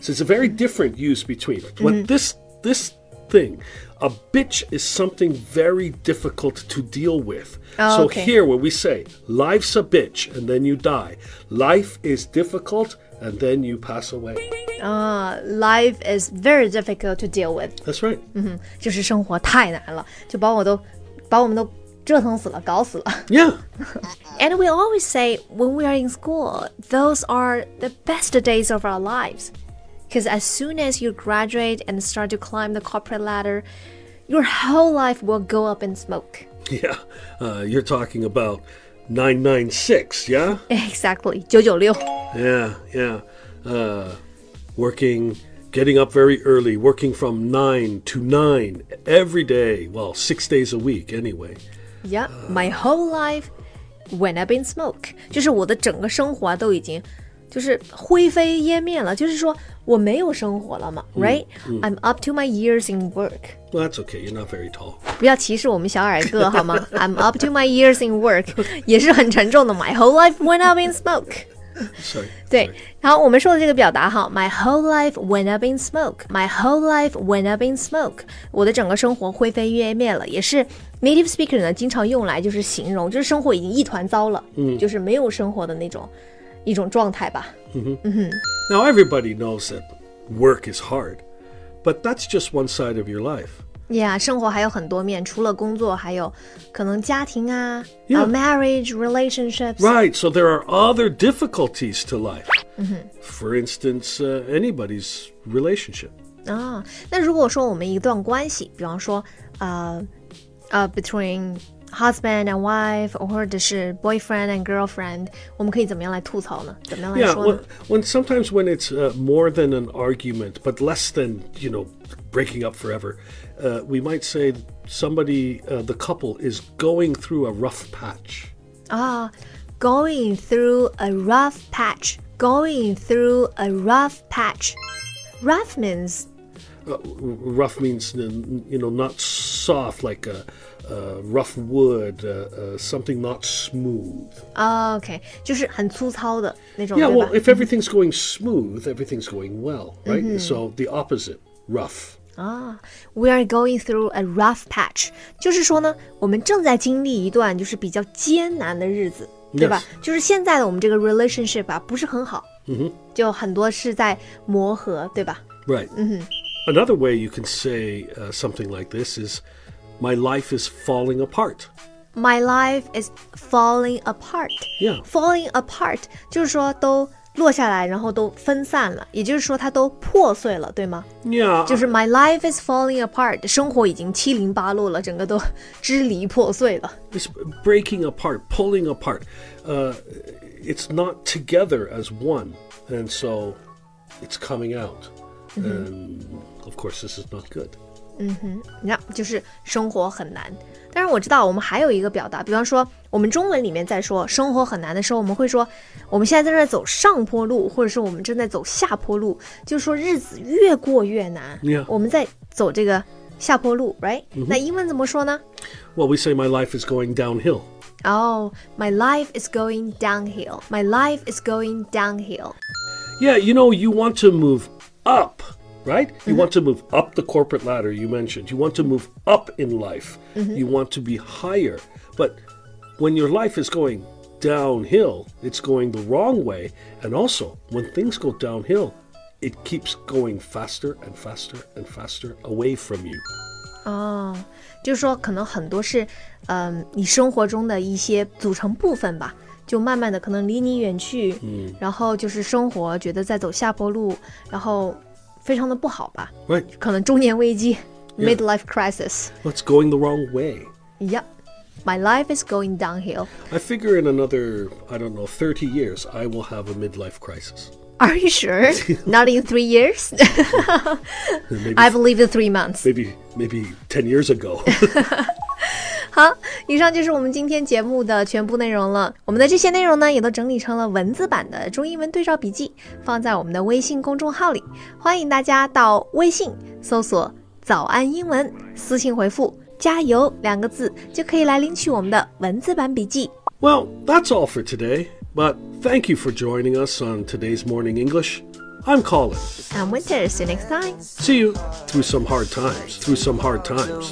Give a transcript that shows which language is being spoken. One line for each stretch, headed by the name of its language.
English: So it's a very different use between. But、mm-hmm. this thing, a bitch is something very difficult to deal with.、 Oh, so、 okay. here when we say, life's a bitch and then you die. Life is difficult and then you pass away. Life is very difficult to deal with. That's right.、 Mm-hmm.
Chinese: 就是生活太难了，就把我们都折腾死了，搞死了。
English: Yeah. And we always say, when we are in school, those are the best days of our lives. Because as soon as you graduate and start to climb the corporate ladder, your whole life will go up in smoke. Yeah, you're talking about 996, yeah? Exactly, 996. Yeah, yeah. working, getting up very early, working from 9 to 9 every day. Well, 6 days a week anyway. Yeah, my whole life went up in smoke.
Chinese: 就是我的整个生活都已经就是灰飞烟灭了，就是说我没有生活了嘛 right?
English: I'm up to my ears in work. Well, that's okay, you're not very tall.
Chinese: 不要歧视我们小矮个好吗
English: I'm up to my ears in work.
Chinese: 也是很沉重的
English: My whole life went up in smoke. Sorry.
Chinese: 对，然后我们说的这个表达哈
English: My whole life went up in smoke. My whole life went up in smoke.
Chinese: 我的整个生活灰飞烟灭了，也是Native speaker 呢经常用来就是形容就是生活已经一团糟了、 mm. 就是没有生活的那种一种状态吧、 mm-hmm.
English: Now everybody knows that work is hard, but that's just one side of your life.
Chinese: Yeah, 生活还有很多面，除了工作还有可能家庭啊、
English: yeah. Marriage, relationships. Right, so there are other difficulties to life.、 Mm-hmm. For instance,、anybody's relationship.
Chinese: 啊、oh, 那如果说我们一段关系比方说
English: between husband and wife, or just boyfriend and girlfriend,
Chinese: 我们可以怎么样来吐槽呢？怎么样来说呢？
English: Yeah, when sometimes when it's more than an argument, but less than, you know, breaking up forever, we might say somebody, the couple is going through a rough patch. Ah, going through a rough patch. Going through a rough patch. Rough means... Rough means, you know, not soft, like a rough wood, something not smooth. Oh, okay.
Chinese: 就是很粗糙的那种
English: Yeah, well, if everything's going smooth, everything's going well, right?、 Mm-hmm. So the opposite, rough. Ah, we are going through a rough patch.
Chinese: 就是说呢，我们正在经历一段就是比较艰难的日子，对吧？
English: Yes.
Chinese: 就是现在的我们这个 relationship 啊，不是很好。 Mm-hmm. 就很多是在磨合，对吧？
English: Right. 嗯哼。 Another way you can say something like this is, my life is falling apart. My life is falling apart. Yeah. Falling apart,
Chinese: 就是说都落下来然后都分散了，也就是说它都破碎了，对吗？
English: Yeah.
Chinese: 就是
English: my life is falling apart,
Chinese: 生活已经七零八落了，整个都支离破碎了。
English: It's breaking apart, pulling apart. It's not together as one, and so it's coming out. And, of course, this is not good.
Chinese: 嗯哼，那就是生活很难。但是我知道我们还有一个表达，比方说我们中文里面在说生活很难的时候，我们会说我们现在正在走上坡路，或者是我们正在走下坡路，就是说日子越过越难。
English: Yeah.
Chinese: 我们在走这个下坡路 ，right?、 Mm-hmm. 那英文怎么说呢
English: ？Well, we say my life is going downhill. Oh, my life is going downhill. My life is going downhill. Yeah, you know, you want to move. Up, right? You、mm-hmm. want to move up the corporate ladder, you mentioned. You want to move up in life.、 Mm-hmm. You want to be higher. But when your life is going downhill, it's going the wrong way. And also, when things go downhill, it keeps going faster and faster and faster away from you.
Chinese: Oh, 就是说可能很多是、你生活中的一些组成部分吧。就慢慢的可能离你远去、嗯、然后就是生活觉得在走下坡路然后非常的不好吧、
English: right.
Chinese: 可能中年危机、
English: yeah. midlife crisis well, it's going the wrong way yep my life is going downhill I figure in another I don't know 30 years I will have a midlife crisis are you sure not in 3 years maybe, I believe in 3 months maybe 10 years ago
Chinese: 好，以上就是我们今天节目的全部内容了。我们的这些内容呢，也都整理成了文字版的中英文对照笔记，放在我们的微信公众号里。欢迎大家到微信搜索“早安英文”，私信回复“加油”两个字，就可以来领取我们的文字版笔记。
English: Well, that's all for today. But thank you for joining us on today's Morning English. I'm Colin. I'm Winter. See you next time. See you through some hard times. Through some hard times.